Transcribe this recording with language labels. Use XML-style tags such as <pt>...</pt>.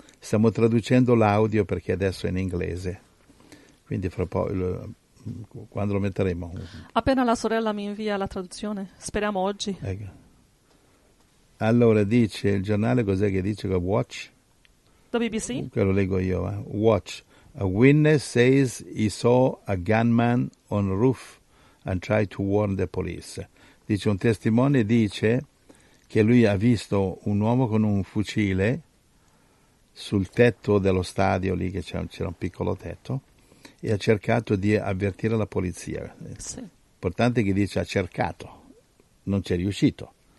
<it>Stiamo traducendo l'audio perché adesso è in inglese, quindi fra poco, quando lo metteremo? Appena la sorella mi invia la traduzione, speriamo oggi. Ecco. Allora, dice il giornale, cos'è che dice?</it> <en>Watch? The BBC?</en> <it>Quello leggo io. Watch.</it> <en>A witness says he saw a gunman on roof and tried to warn the police.</en> <it>Dice, un testimone dice che lui ha visto un uomo con un fucile sul tetto dello stadio, lì che c'era un piccolo tetto, e ha cercato di avvertire la polizia. Sì. Importante che dice ha cercato, non c'è riuscito.</it>